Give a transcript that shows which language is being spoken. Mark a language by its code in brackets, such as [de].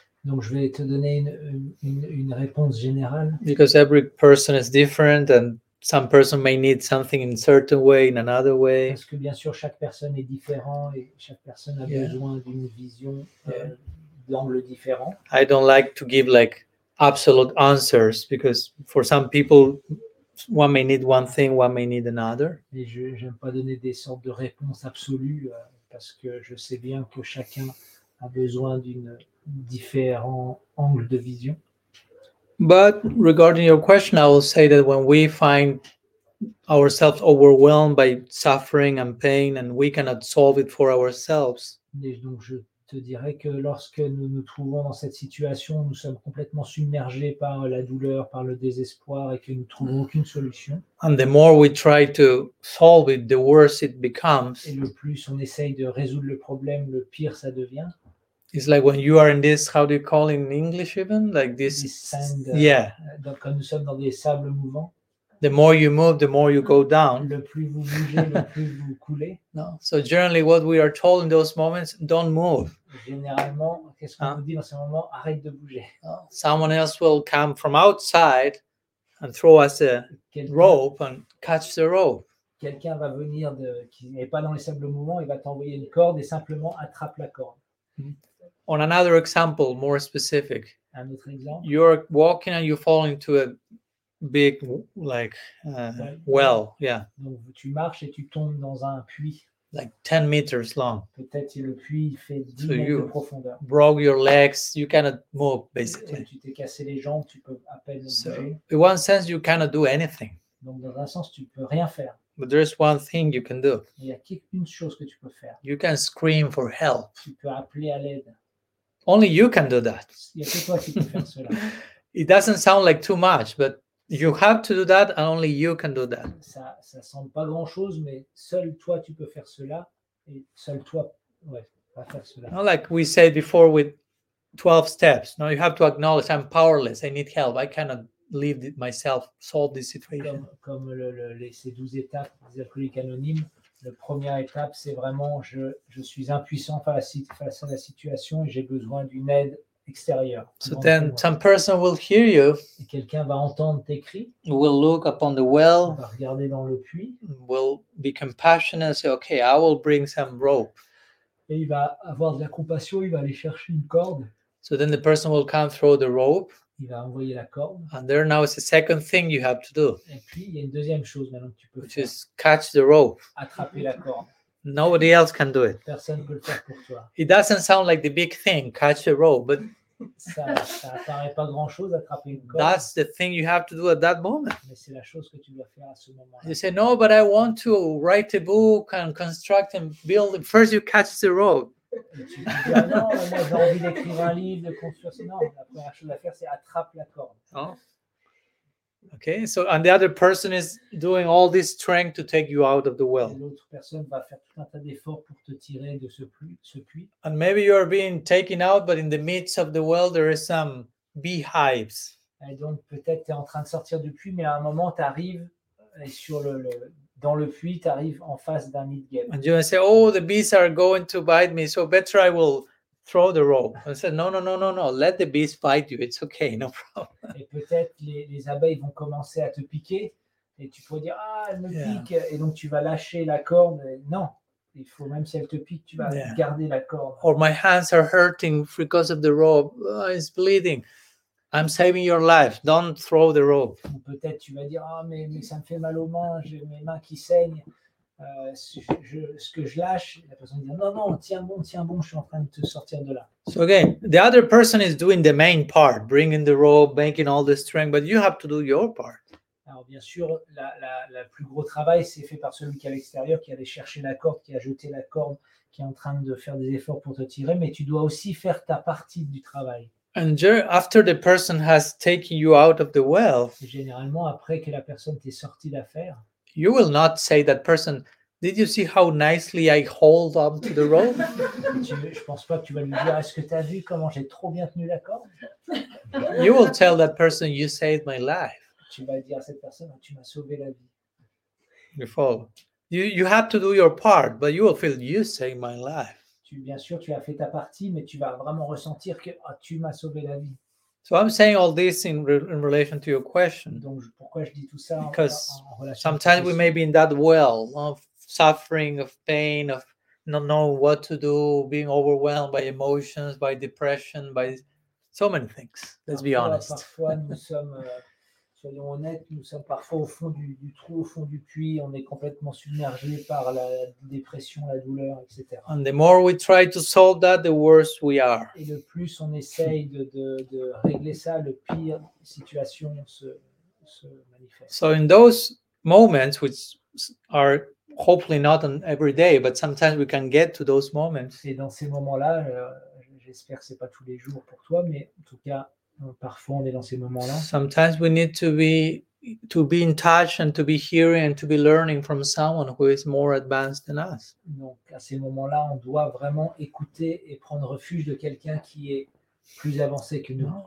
[fr] Donc je vais te donner une réponse générale. [en] Because every person is different, and some person may need something in a certain way, in another way. [fr] Parce que bien sûr chaque personne est différente et chaque personne a besoin d'une vision d'angle différent. [en] I don't like to give like absolute answers because for some people one may need one thing, one may need another. [fr] Et je n'aime pas donner des sortes de réponses absolues parce que je sais bien que chacun a besoin d'une différents angles de vision. [en] But regarding your question, I will say that when we find ourselves overwhelmed by suffering and pain and we cannot solve it for ourselves. [fr] Et donc je te dirais que lorsque nous nous trouvons dans cette situation, nous sommes complètement submergés par la douleur, par le désespoir et que nous ne trouvons aucune solution. [en] And the more we try to solve it, the worse it becomes. [fr] Et le plus on essaye de résoudre le problème, le pire ça devient. [en] It's like when you are in this, how do you call it in English even? Like this, yeah. [fr] Donc quand nous sommes dans des sables mouvants. [en] The more you move, the more you go down. [fr] Le plus vous bougez, le plus vous coulez. [en] No. So generally what we are told in those moments, don't move. [fr] Généralement, qu'est-ce qu'on vous dit dans ce moment? Arrête de bouger. [en] Someone else will come from outside and throw us a rope and catch the rope. [fr] Quelqu'un va venir qui n'est pas dans les sables mouvants, il va t'envoyer une corde et simplement attrape la corde. [en] On another example, more specific. [fr] Un autre exemple. [en] You're walking and you fall into a big, like, well, yeah. [fr] Donc tu marches et tu tombes dans un puits. [en] Like 10 meters long. [fr] Peut-être que le puits fait 10 mètres de profondeur. [en] So you broke your legs, you cannot move, basically. [fr] Et tu t'es cassé les jambes, tu peux à peine bouger. [en] So, in one sense, you cannot do anything. [fr] Donc dans un sens, tu peux rien faire. [en] But there's one thing you can do. [fr] Il y a qu'une chose que tu peux faire. [en] You can scream for help. [fr] Tu peux appeler à l'aide. [en] Only you can do that. [fr] Il y a que toi qui peux faire cela. [en] It doesn't sound like too much, but you have to do that, and only you can do that. [fr] Ça semble pas grand-chose, mais seul toi tu peux faire cela, et seul toi, ouais, va faire cela. [en] Not like we said before with 12 steps. No, you have to acknowledge I'm powerless. I need help. I cannot leave myself, solve this situation. [fr] Comme ces 12 étapes des alcooliques anonymes, la première étape, c'est vraiment je suis impuissant face à la situation et j'ai besoin d'une aide extérieure. [en] So then some person will hear you. [fr] Et quelqu'un va entendre tes cris. [en] Will look upon the well. [fr] Va regarder dans le puits. [en] Will be compassionate and say, okay, I will bring some rope. [fr] Et il va avoir de la compassion, il va aller chercher une corde. [en] So then the person will come throw the rope. [fr] Il va envoyer la corde. [en] And there now is a second thing you have to do. [fr] Et puis il y a une deuxième chose maintenant que tu peux [en] which [fr] faire. [en] Is catch the rope. [fr] Attraper la corde. [en] Nobody else can do it. [fr] Personne peut le faire pour toi. [en] It doesn't sound like the big thing, catch the rope, but [fr] ça paraît pas grand chose attraper une corde. [en] That's the thing you have to do at that moment. [fr] Mais c'est la chose que tu dois faire à ce moment-là. [en] You say no, but I want to write a book and construct and build. First you catch the rope. [fr] Tu dis, ah non, j'ai envie d'écrire un livre, de construire. C'est non, la première chose à faire, c'est attraper la corde. Oh. [en] Okay, so and the other person is doing all this strength to take you out of the well. [fr] L'autre personne va faire tout un tas d'efforts pour te tirer de ce puits. [en] And maybe you are being taken out, but in the midst of the well, there is some beehives. [fr] Et donc peut-être tu es en train de sortir du puits, mais à un moment tu arrives sur dans le puits, tu arrives en face d'un nid de guêpes. [en] And you will say, oh, the bees are going to bite me, so better I will throw the rope. I said, no, let the bees bite you, it's okay, no problem. [fr] Et peut-être les abeilles vont commencer à te piquer, et tu pourras dire, ah, elles me piquent, et donc tu vas lâcher la corde. Non, il faut même si elles te piquent, tu vas garder la corde. [en] Or my hands are hurting because of the rope, oh, it's bleeding. I'm saving your life, don't throw the rope. [fr] Ou peut-être tu vas dire, ah, mais ça me fait mal aux mains, j'ai mes mains qui saignent. Ce que je lâche, la personne dit non, tiens bon, je suis en train de te sortir de là. [en] So again, the other person is doing the main part, bringing the rope, making all the strength, but you have to do your part. [fr] Alors bien sûr, la plus gros travail, c'est fait par celui qui est à l'extérieur, qui allait chercher la corde, qui a jeté la corde, qui est en train de faire des efforts pour te tirer, mais tu dois aussi faire ta partie du travail. [en] And after the person has taken you out of the well, [fr] généralement après que la personne t'est sortie d'affaire, [en] you will not say that person, did you see how nicely I hold on to the rope? [fr] Je pense pas que tu vas lui dire, est-ce que tu as vu comment j'ai trop bien tenu la corde? [en] You will tell that person, you saved my life. [fr] Tu vas dire à cette personne, tu m'as sauvé la vie. [en] You follow. You have to do your part, but you will feel you saved my life. [fr] Bien sûr, tu as fait ta partie, mais tu vas vraiment ressentir que tu m'as sauvé la vie. [en] So I'm saying all this in relation to your question. [fr] Donc, pourquoi je dis tout ça? [en] Because [fr] en [en] sometimes we may be in that well of suffering, of pain, of not knowing what to do, being overwhelmed by emotions, by depression, by so many things. Let's be honest. [fr] Parfois, nous sommes Soyons honnêtes, nous sommes parfois au fond du trou, au fond du puits, on est complètement submergé par la dépression, la douleur, etc. [en] And the more we try to solve that, the worse we are. [fr] Et le plus on essaye de régler ça, le pire situation se manifeste. [en] So in those moments, which are hopefully not on every day, but sometimes we can get to those moments. [fr] Et dans ces moments-là, j'espère que c'est pas tous les jours pour toi, mais en tout cas, parfois, on est dans ces moments-là. [en] Sometimes we need to be in touch and to be hearing and to be learning from someone who is more advanced than us. [fr] Donc, à ces moments-là, on doit vraiment écouter et prendre refuge de quelqu'un qui est plus avancé que nous.